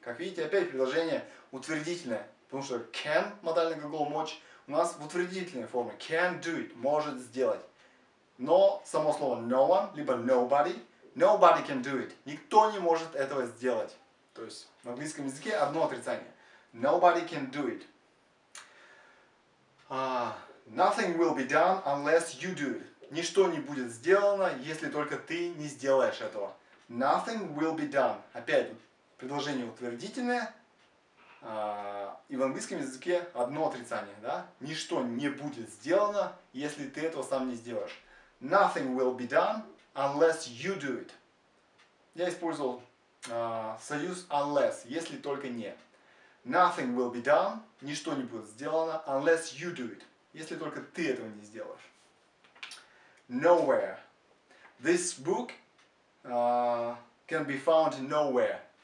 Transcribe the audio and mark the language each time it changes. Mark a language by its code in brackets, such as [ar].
[ru] Как видите, опять предложение утвердительное, потому что can, модальный глагол мочь, у нас в утвердительной форме. [en] Can do it, [ru] может сделать. Но само слово [en] no one, [ru] либо [en] nobody, nobody can do it. [ru] Никто не может этого сделать. То есть в английском языке одно отрицание. [en] Nobody can do it. Nothing will be done unless you do it. [ru] Ничто не будет сделано, если только ты не сделаешь этого. [en] Nothing will be done. [ru] Опять, предложение утвердительное. И в английском языке одно отрицание, да? Ничто не будет сделано, если ты этого сам не сделаешь. [en] Nothing will be done unless you do it. [ru] Я использовал союз unless, если только не. [en] Nothing will be done, [ru] ничто не будет сделано, [en] unless you do it. [ru] Если только ты этого не сделаешь. [en] Nowhere. This book can be found nowhere.